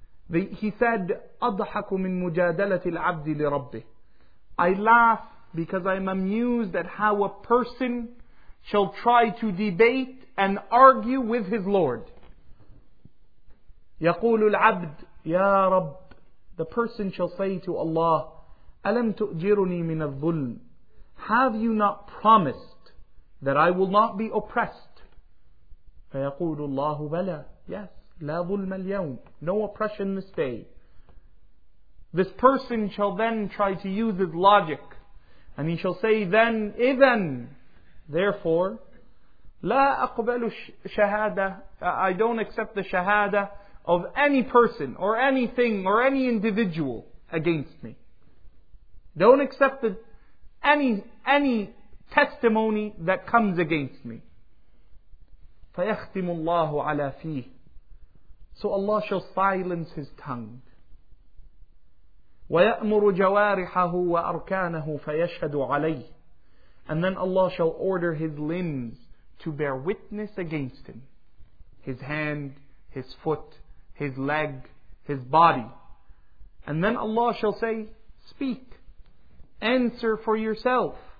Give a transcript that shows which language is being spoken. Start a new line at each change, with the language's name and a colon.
English: He said,
Arabic: أَضْحَكُ مِنْ مُجَادَلَةِ الْعَبْدِ لِرَبِّهِ.
English: I laugh because I'm amused at how a person shall try to debate and argue with his Lord.
Arabic: يَقُولُ الْعَبْدِ يَا رَبِّ.
English: The person shall say to Allah,
Arabic: أَلَمْ تُؤْجِرُنِي مِنَ الظُّلْمِ.
English: Have you not promised that I will not be oppressed?
Arabic: فَيَقُولُ اللَّهُ بَلَى. Yes, لَا ظُلْمَ الْيَوْمِ.
English: No oppression this day. This person shall then try to use his logic, and he shall say, then, إِذَنْ.
Arabic: Therefore, لا أقبل شهادة.
English: I don't accept the shahada of any person or anything or any individual against me. Don't accept the, any testimony that comes against me.
Arabic: فيختم الله على فيه.
English: So Allah shall silence his tongue.
Arabic: ويأمر جوارحه وأركانه فيشهد عليه.
English: And then Allah shall order his limbs to bear witness against him. His hand, his foot, his leg, his body. And then Allah shall say, speak, answer for yourself.